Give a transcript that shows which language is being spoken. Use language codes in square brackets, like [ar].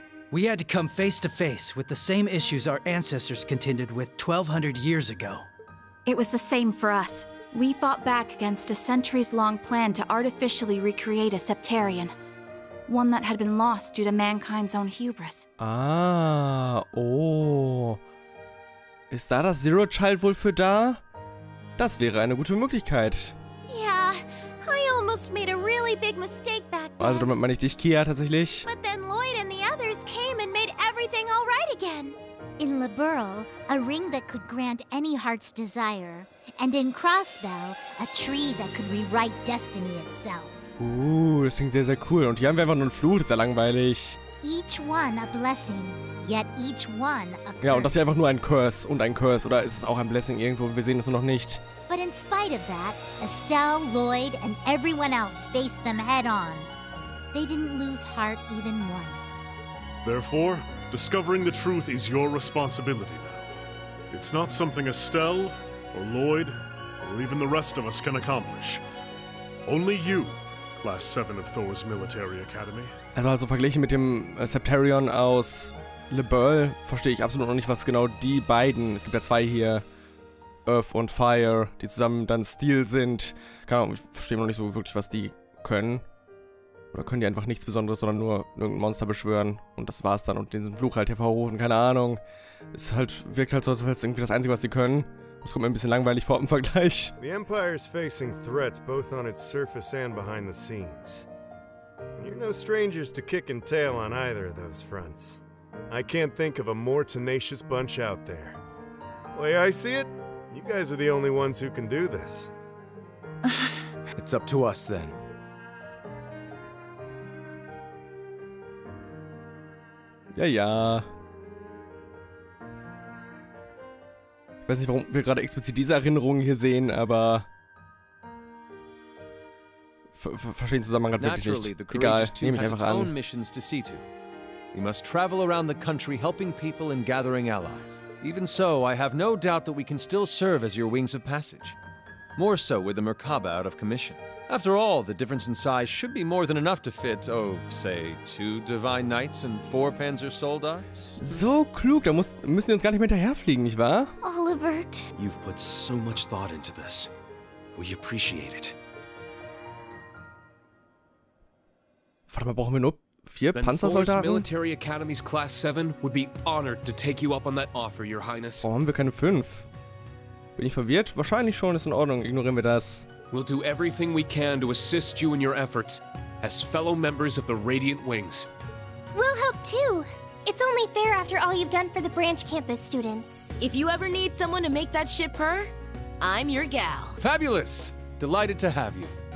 [en] We had to come face to face with the same issues our ancestors contended with 1,200 years ago. It was the same for us. We fought back against a centuries-long plan to artificially recreate a Septarian. One that had been lost due to mankind's own hubris. Ah, oh. [de] Ist da das Zero Child wohl für da? Das wäre eine gute Möglichkeit. [en] Yeah, I almost made a really big mistake back then. [de] Also damit meine ich dich, Kia, tatsächlich. [en] But then Lloyd and the others came and made everything all right again. In Liberal, a ring that could grant any heart's desire. And in Crossbell, a tree that could rewrite destiny itself. [de] Das klingt sehr, sehr cool. Und hier haben wir einfach nur einen Fluch, das ist ja langweilig. [en] Each one a blessing, yet each one a curse. [de] Ja, und das ist ja einfach nur ein Curse und ein Curse. Oder ist es auch ein Blessing irgendwo? Wir sehen es nur noch nicht. [en] But in spite of that, Estelle, Lloyd and everyone else faced them head on. They didn't lose heart even once. Therefore, discovering the truth is your responsibility now. It's not something Estelle or Lloyd, or even the rest of us can accomplish. Only you, Class 7 of Thor's Military Academy. [de] Also verglichen mit dem Septarion aus Liberl verstehe ich absolut noch nicht, was genau die beiden, es gibt ja zwei hier, Earth und Fire, die zusammen dann Steel sind. Keine Ahnung, ich verstehe noch nicht so wirklich, was die können. Oder können die einfach nichts Besonderes, sondern nur irgendein Monster beschwören und das war's dann und den Fluch halt hervorrufen, keine Ahnung. Es halt, wirkt halt so, als wäre es irgendwie das Einzige, was sie können. Das kommt mir ein bisschen langweilig vor im Vergleich. [en] The Empire is facing threats both on its surface and behind the scenes. You're no strangers to kick and tail on either of those fronts. I can't think of a more tenacious bunch out there. The way I see it, you guys are the only ones who can do this. It's up to us then. [de] Ja, ja. Ich weiß nicht, warum wir gerade explizit diese Erinnerungen hier sehen, aber verstehe den Zusammenhang gerade wirklich nicht. Egal, nehme ich einfach an. [en] We must travel around the country helping people and gathering allies. Even so, I have no doubt that we can still serve as your wings of passage. More so with the Merkaba out of commission. After all, the difference in size should be more than enough to fit, oh, say, 2 Divine Knights and 4 Panzer Soldats. [de] So klug, da müssen wir uns gar nicht mehr hinterherfliegen, nicht wahr? [en] Oliver. You've put so much thought into this. We appreciate it. [de] Warte mal, brauchen wir nur 4 Panzer Soldaten? [en] The Military Academy's Class 7 would be honored to take you up on that offer, Your Highness. [de] Warum haben wir keine 5? Bin ich verwirrt? Wahrscheinlich schon, ist in Ordnung, ignorieren wir das. [en] We'll do everything we can to assist you in your efforts, as fellow members of the Radiant Wings. We'll help too. It's only fair after all you've done for the branch campus students. If you ever need someone to make that ship purr, I'm your gal. Fabulous! Delighted to have you.